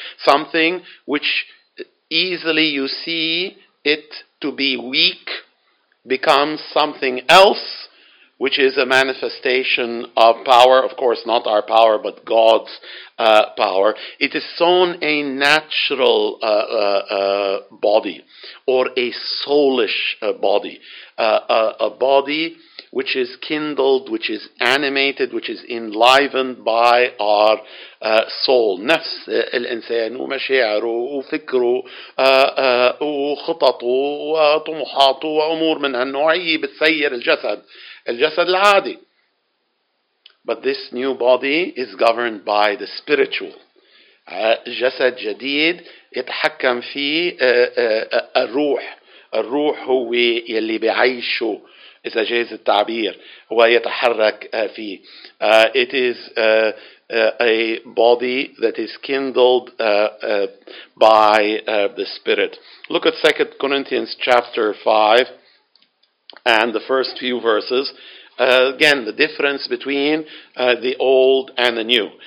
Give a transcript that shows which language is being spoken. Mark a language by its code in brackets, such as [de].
[en] Something which easily you see it to be weak becomes something else, which is a manifestation of power, of course not our power, but God's power. It is sown a natural body, or a soulish body, a body which is kindled, which is animated, which is enlivened by our soul. [ar] نفس الإنسان ومشاعره وفكره وخططه وطموحاته وأمور من هالنوع هي بتسير الجسد. الجسد العادي. [en] But this new body is governed by the spiritual. [ar] جسد جديد يتحكم فيه الروح. الروح هو يلي بيعيشه, إذا جاز التعبير, ويتحرك فيه. [en] It is a body that is kindled by the Spirit. Look at 2 Corinthians chapter 5. And the first few verses, again, the difference between the old and the new.